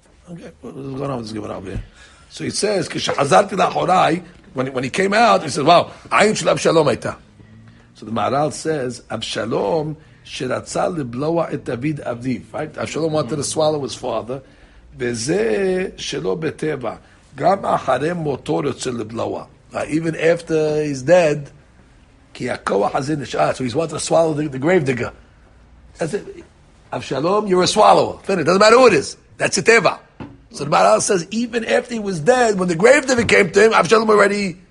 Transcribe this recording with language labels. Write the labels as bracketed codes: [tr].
[en] Okay, what's going on with this Gemara over here? So he says, [he] כשעזרתי לאחוריי, [en] when he came out, he says, wow, [he] עין של אב שלום הייתה. [en] So the Maharal says, אב שלום, [he] שרצה לבלוע את דוד אביו, [en] right? [he] אבשלום [en] wanted to swallow his father, [he] וזה שלא בטבע, גם אחרי מותו רוצה לבלוע. [en] Even after he's dead, [he] כי הכוח הזה נשאר, [en] so he's wanted to swallow the grave digger. That's it. אבשלום, you're a swallower. Finish. Doesn't matter who it is. That's a טבע. So the Maharal says, even after he was dead, when the grave digger came to him, אבשלום already